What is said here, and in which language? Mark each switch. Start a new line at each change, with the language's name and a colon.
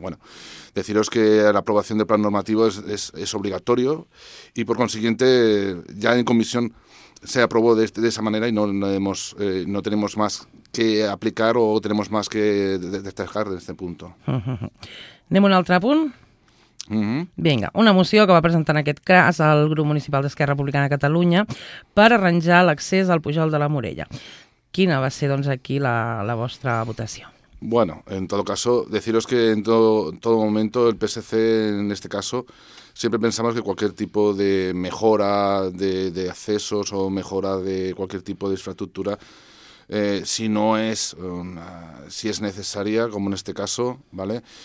Spanish: Bueno, deciros que la aprobación del plan normativo es obligatorio y por consiguiente ya en comisión se aprobó de esa manera y no tenemos más que aplicar o tenemos más que destacar en este punto.
Catalan: Anem a un altre punt? Vinga, una moció que va presentar en aquest cas el grup municipal d'Esquerra Republicana de Catalunya per arranjar l'accés al Pujol de la Morella. Quina va ser, doncs, aquí la vostra votació?
Spanish: Bueno, en todo caso, deciros que en todo momento el PSC, en este caso, siempre pensamos que cualquier tipo de mejora de accesos o mejora de cualquier tipo de infraestructura, si no es una, si es necesaria, como en este caso, ¿vale?